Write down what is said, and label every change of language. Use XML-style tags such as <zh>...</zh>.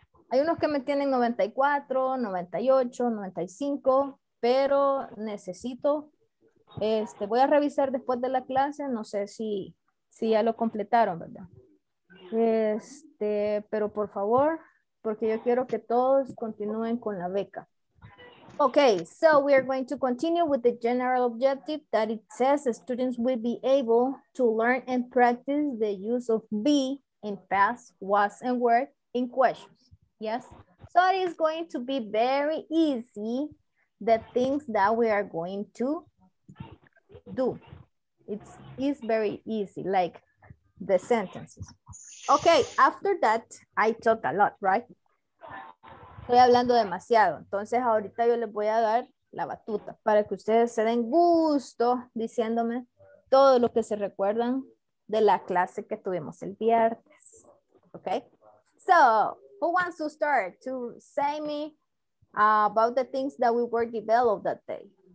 <es>Hay unos que me tienen 94, 98, 95, pero necesito, voy a revisar después de la clase, no sé si ya lo completaron, ¿verdad? Pero por favor, porque yo quiero que todos continúen con la beca.</es> <en>Okay, so we are going to continue with the general objective that it says students will be able to learn and practice the use of be in past, was, and were in questions. Yes, so it is going to be very easy, the things that we are going to do. It's very easy, like the sentences. Okay, after that, I talk a lot, right?</en> <es>Estoy hablando demasiado. Entonces, ahorita yo les voy a dar la batuta para que ustedes se den gusto diciéndome todo lo que se recuerdan de la clase que tuvimos el viernes.</es> <en>Okay? So, who wants to start to say me about the things that we were developed that day?</en>